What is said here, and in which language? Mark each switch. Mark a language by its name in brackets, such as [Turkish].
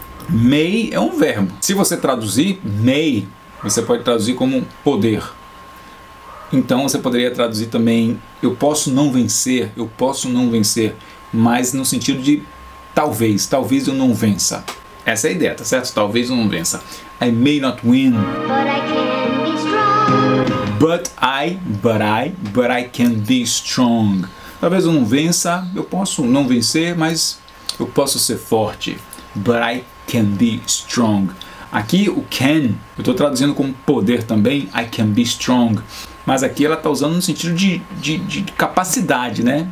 [Portuguese] May é um verbo. Se você traduzir may, você pode traduzir como poder. Então você poderia traduzir também: eu posso não vencer, mas no sentido de talvez eu não vença. Essa é a ideia, tá certo? Talvez eu não vença. [English] I may not win, but I can be strong. [Portuguese] Talvez eu não vença, eu posso não vencer, mas eu posso ser forte. [English] But I can be strong. [Portuguese] Aqui o can, eu estou traduzindo como poder também, [English] I can be strong. [Portuguese] Mas aqui ela está usando no sentido de capacidade, né?